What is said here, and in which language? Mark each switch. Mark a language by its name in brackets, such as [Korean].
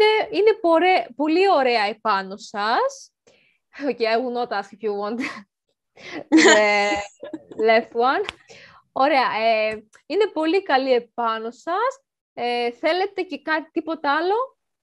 [Greek] Είναι πολύ ωραία επάνω σας. [English] Okay, I will not ask if you want the left one. [Greek] Ωραία, είναι πολύ καλή επάνω σας. Θέλετε και κάτι τίποτα άλλο?